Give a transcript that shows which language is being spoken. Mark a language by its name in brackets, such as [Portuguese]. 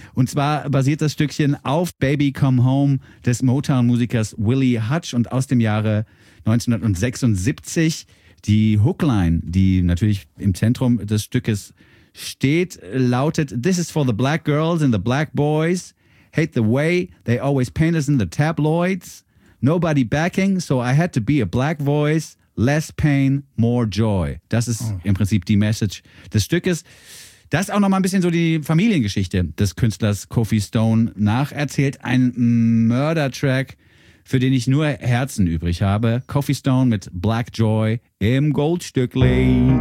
[German] Und zwar basiert das Stückchen auf Baby Come Home des Motown-Musikers Willie Hutch und aus dem Jahre 1976. Die Hookline, die natürlich im Zentrum des Stückes steht, lautet: [English] This is for the black girls and the black boys. Hate the way they always paint us in the tabloids. Nobody backing, so I had to be a black voice. Less pain, more joy. [German] Das ist im Prinzip die Message des Stückes. Das ist auch nochmal ein bisschen so die Familiengeschichte des Künstlers Kofi Stone nacherzählt. Ein Mörder-Track, für den ich nur Herzen übrig habe. Kofi Stone mit Black Joy im Goldstückli.